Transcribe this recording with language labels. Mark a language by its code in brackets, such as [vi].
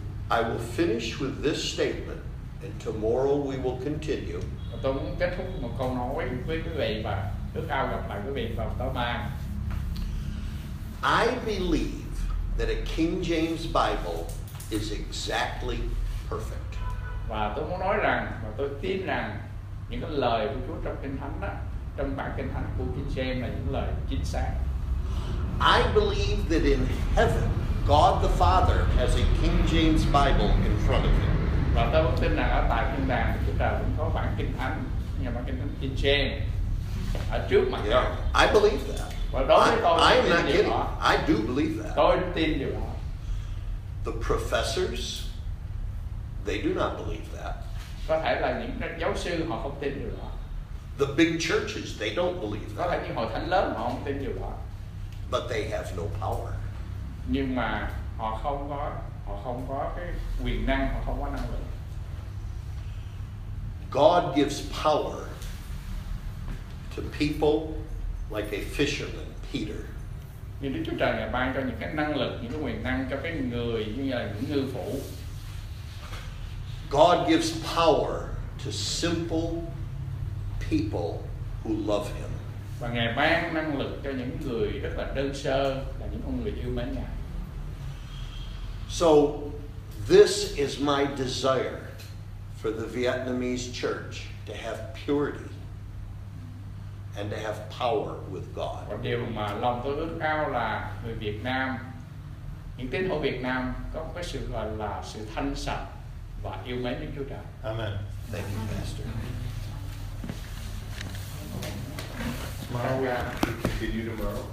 [en] I will finish with this statement, and tomorrow we will continue. [vi] Tôi muốn kết thúc một câu nói với quý vị và ước ao gặp lại quý vị vào tối mai. [en] I believe that a King James Bible is exactly perfect. [vi] Và tôi muốn nói rằng, và tôi tin rằng những cái lời của Chúa trong Kinh Thánh đó, trong bản Kinh Thánh của King James là những lời chính xác. [en] I believe that in heaven, God the Father has a King James Bible in front of him. [vi] Và tôi cũng tin rằng ở tại thiên đàng thì Chúa Trời cũng có bản Kinh Thánh, nhà bản Kinh Thánh King James ở trước mặt. [en] Yeah, I believe that. [vi] Và đối với tôi, [en] I'm not kidding. I do believe that. [vi] Tôi tin điều đó. [en] The professors, they do not believe that. [vi] Có thể là những giáo sư họ không tin điều đó. [en] The big churches, they don't believe that. [vi] Có thể những hội thánh lớn họ không tin điều đó. [en] But they have no power. [vi] Nhưng mà họ không có họ không có cái quyền năng, họ không có năng lực. [en] God gives power to people like a fisherman, Peter. [vi] Nhưng Đức Chúa Trời ngài ban cho những cái năng lực, những cái quyền năng cho cái người như là những ngư phủ. [en] God gives power to simple people who love Him. [vi] Và ngài ban năng lực cho những người rất là đơn sơ, là những con người yêu mến ngài. [en] So, this is my desire for the Vietnamese church to have purity and to have power with God. [vi] Và điều mà lòng tôi ước ao là người Việt Nam, những tín hữu Việt Nam có cái sự gọi là sự thanh sạch và yêu mến Đức Chúa Trời. [en] Amen. Thank you, Pastor. Tomorrow we continue tomorrow.